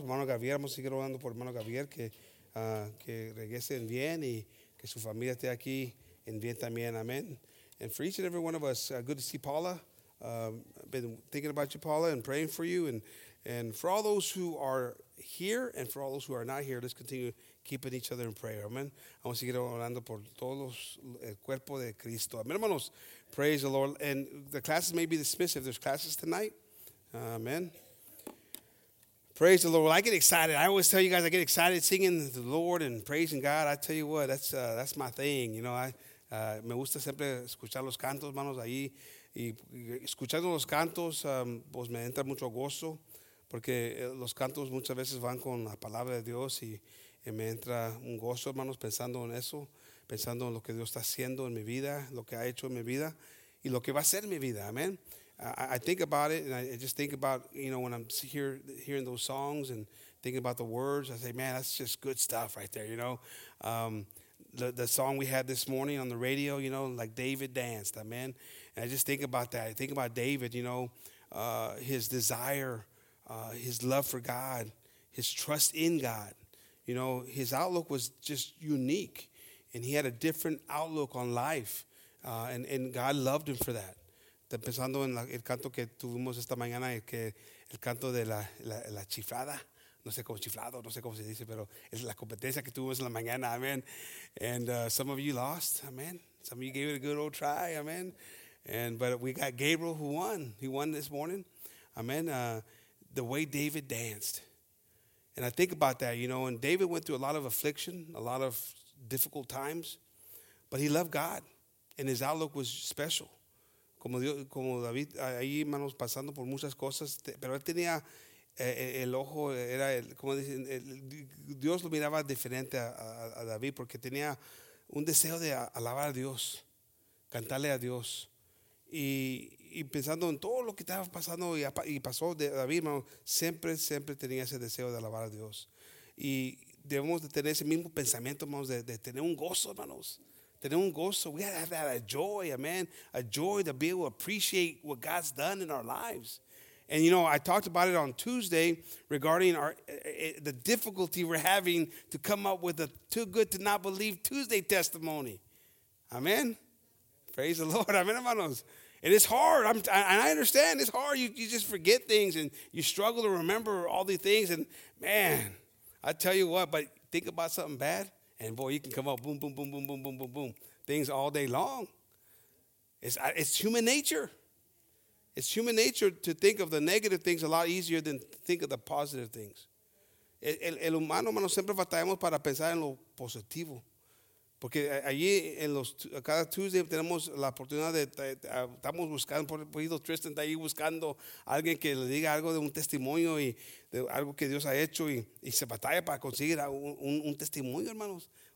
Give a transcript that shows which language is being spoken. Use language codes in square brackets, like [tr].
[es] Hermano Gabriel, vamos a seguir orando por hermano Gabriel, que regresen bien y que su familia esté aquí en bien también. [en] Amen. And for each and every one of us, good to see Paula. I've been thinking about you, Paula, and praying for you. And for all those who are here and for all those who are not here, let's continue keeping each other in prayer. Amen. [es] Vamos a seguir orando por todos el cuerpo de Cristo. [en] Amen, hermanos. Praise the Lord. And the classes may be dismissed if there's classes tonight. Amen. Praise the Lord. Well, I get excited. I always tell you guys I get excited singing the Lord and praising God. I tell you what, that's my thing. You know, [es] me gusta siempre escuchar los cantos, hermanos, ahí. Y escuchando los cantos, pues me entra mucho gozo. Porque los cantos muchas veces van con la palabra de Dios y me entra un gozo, hermanos, pensando en eso, pensando en lo que Dios está haciendo en mi vida, lo que ha hecho en mi vida y lo que va a ser en mi vida. Amen. [en] I think about it, and I just think about, you know, when I'm hearing those songs and thinking about the words, I say, man, that's just good stuff right there, you know. The song we had this morning on the radio, you know, like David danced, amen. And I just think about that. I think about David, you know, his desire, his love for God, his trust in God. You know, his outlook was just unique, and he had a different outlook on life, and God loved him for that. [es] Pensando en el canto que tuvimos esta mañana, que el canto de la chiflada, no sé cómo chiflado, no sé cómo se dice, pero es la competencia que tuvimos en la mañana, amen. [en] And some of you lost, amen. Some of you gave it a good old try, amen. But we got Gabriel who won. He won this morning, amen. The way David danced. And I think about that, you know, and David went through a lot of affliction, a lot of difficult times, but he loved God, and his outlook was special. [es] Como David, ahí, hermanos, pasando por muchas cosas, pero él tenía el ojo, era, como dicen, Dios lo miraba diferente a David, porque tenía un deseo de alabar a Dios, cantarle a Dios. Y pensando en todo lo que estaba pasando y pasó de David, hermano, siempre tenía ese deseo de alabar a Dios. Y debemos de tener ese mismo pensamiento, hermanos, de tener un gozo, hermanos. Tener un gozo. [en] We gotta have that, a joy, amen. A joy to be able to appreciate what God's done in our lives. And, you know, I talked about it on Tuesday regarding the difficulty we're having to come up with a too good to not believe Tuesday testimony. Amen. Praise the Lord. Amen, hermanos. It is hard. I understand. It's hard. You just forget things and you struggle to remember all these things. And, man, I tell you what, but think about something bad. And boy, you can come up, boom, boom, boom, boom, boom, boom, boom, boom. Things all day long. It's human nature. It's human nature to think of the negative things a lot easier than think of the positive things. [es] El humano, hermano, siempre batallamos para pensar en lo positivo. Porque allí, cada Tuesday, tenemos la oportunidad de, estamos buscando, por ejemplo, Tristan está ahí buscando a alguien que le diga algo de un testimonio y de algo que Dios ha hecho y se batalla para conseguir un testimonio, hermanos.